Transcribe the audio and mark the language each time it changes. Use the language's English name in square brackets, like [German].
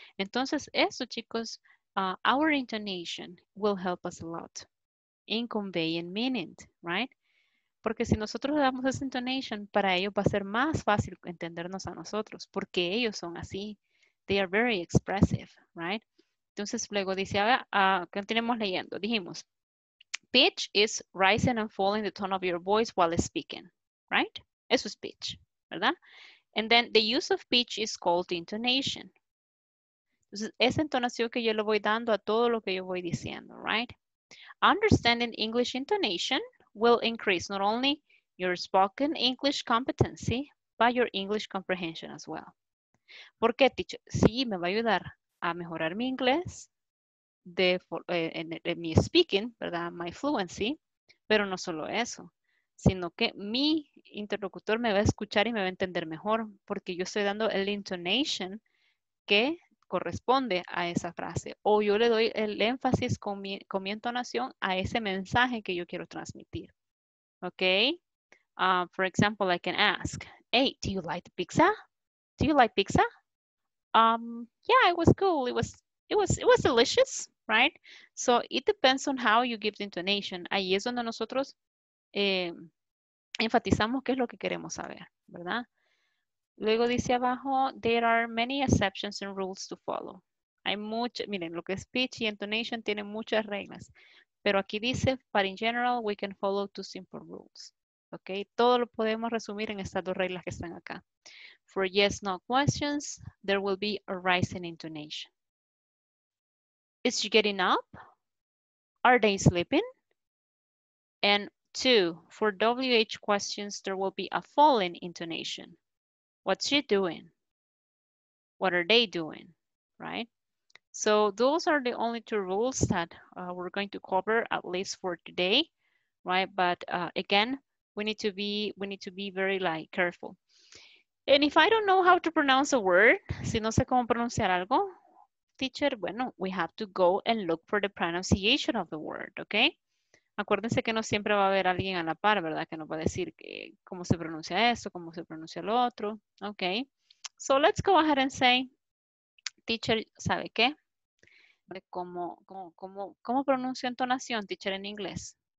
[Spanish] Entonces, eso, chicos, [English] our intonation will help us a lot in conveying meaning, right? [Spanish] Porque si nosotros le damos esa intonation, para ellos va a ser más fácil entendernos a nosotros, porque ellos son así. [English] They are very expressive, right? [Spanish] Entonces, luego dice, ¿qué tenemos leyendo? [English] Dijimos, pitch is rising and falling the tone of your voice while speaking, right? [Spanish] Eso es pitch, ¿verdad? [English] And then the use of pitch is called intonation. [Spanish] Entonces, esa entonación que yo le voy dando a todo lo que yo voy diciendo, right? [English] Understanding English intonation will increase not only your spoken English competency, but your English comprehension as well. [Spanish] ¿Por qué, teacher? Sí, me va a ayudar a mejorar mi inglés, en mi speaking, ¿verdad? [English] My fluency, [Spanish] pero no solo eso, sino que mi interlocutor me va a escuchar y me va a entender mejor, porque yo estoy dando el intonation que corresponde a esa frase, o yo le doy el énfasis con mi entonación a ese mensaje que yo quiero transmitir, ¿ok? [English] For example, I can ask, hey, do you like the pizza? Do you like pizza? Yeah, it was cool. It was delicious, right? So it depends on how you give the intonation. [Spanish] Ahí es donde nosotros enfatizamos qué es lo que queremos saber, ¿verdad? Luego dice abajo, [English] there are many exceptions and rules to follow. [Spanish] Hay mucho, miren, lo que es speech y intonation tiene muchas reglas. Pero aquí dice, [English] but in general, we can follow two simple rules. [Spanish] Okay, todo lo podemos resumir en estas dos reglas que están acá. [English] For yes, no questions, there will be a rising intonation. Is she getting up? Are they sleeping? And two, for WH questions, there will be a falling intonation. What's she doing? What are they doing, right? So those are the only two rules that we're going to cover at least for today, right? But again, we need to be very like careful. And if I don't know how to pronounce a word, [Spanish] si no sé cómo pronunciar algo, teacher, bueno, [English] we have to go and look for the pronunciation of the word, okay? [Spanish] Acuérdense que no siempre va a haber alguien a la par, ¿verdad? Que nos va a decir cómo se pronuncia esto, cómo se pronuncia lo otro, okay? [English] So let's go ahead and say, teacher, [Spanish] ¿sabe qué? ¿Cómo pronuncio entonación, teacher, en inglés?